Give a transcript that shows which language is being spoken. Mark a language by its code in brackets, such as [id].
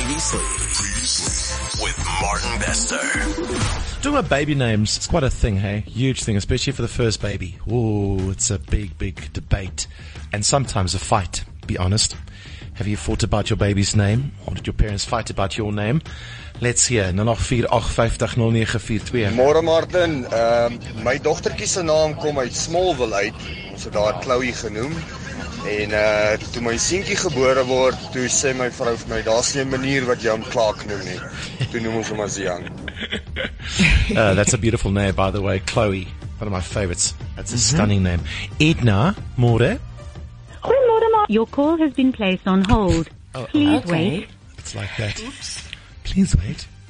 [en] Previously with Martin Bester. Talking about baby names, it's quite a thing, hey? Huge thing, especially for the first baby. Ooh, it's a big, big debate. And sometimes a fight, be honest. Have you fought about your baby's name? Or did your parents fight about your name? Let's hear. 084-850-0942. [af] Môre Martin, my dogtertjie se naam kom uit Smallville uit. Ons het daar Chloe genoem. En toe my seentjie gebore word, toe sê my vrou vir my, daar's nie 'n manier wat jy hom Clark noem nie. Toe noem ons hom as Young. [en] That's a beautiful name, by the way. Chloe, one of my favorites. That's a stunning name. Edna, môre. [af] Goeiemôre, ma. [en] Your call has been placed on hold. Please wait. It's like that. Oops. Please wait.